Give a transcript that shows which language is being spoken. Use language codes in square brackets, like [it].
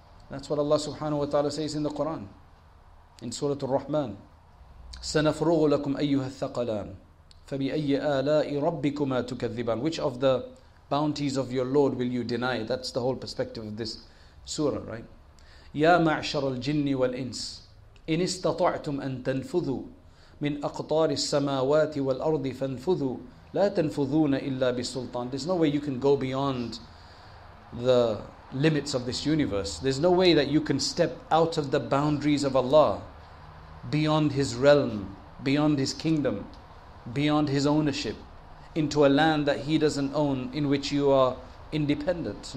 [en] That's what Allah subhanahu wa ta'ala says in the Quran, in Surah Ar-Rahman. [ar] سَنَفْرُغُ لَكُمْ أَيُّهَا الثَّقَلَانِ فَبِأَيِّ آلَاءِ رَبِّكُمَا تُكَذِّبَانِ. [en] Which of the bounties of your Lord will you deny? That's the whole perspective of this surah, right? [ar] يَا مَعْشَرَ الْجِنِّ وَالْإِنسِ إن استطعتم أن تنفذوا من أقطار السماوات والأرض فانفذوا لا تنفذون إلا بسلطان. [en] There's no way you can go beyond the limits of this universe. There's no way that you can step out of the boundaries of Allah, beyond His realm, beyond His kingdom, beyond His ownership, into a land that He doesn't own, in which you are independent.